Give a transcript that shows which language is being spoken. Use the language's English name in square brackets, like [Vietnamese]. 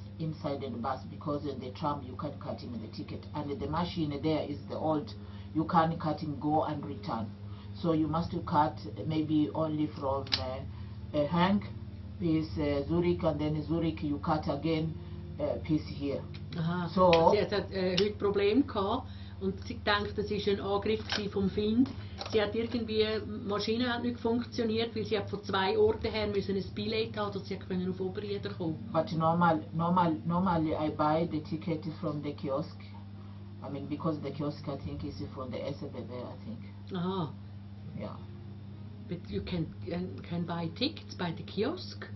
[English] Inside in the bus, because in the tram you can't cut in the ticket, and the machine there is the old, you can't cut in go and return, so you must cut maybe only from Hank piece Zurich, and then Zurich you cut again piece here. Aha. So [German] sie hat heute ein Problem gehabt und sie denkt, das ist ein Angriff vom Find. Sie hat irgendwie, die Maschine hat nicht funktioniert, weil sie hat von zwei Orten her müssen ein Billett haben, dass sie können auf Oberreden kommen. [English] But normally I buy the ticket from the kiosk. I mean, because the kiosk I think is from the SBB, I think. Aha. Yeah. But you can buy tickets by the kiosk?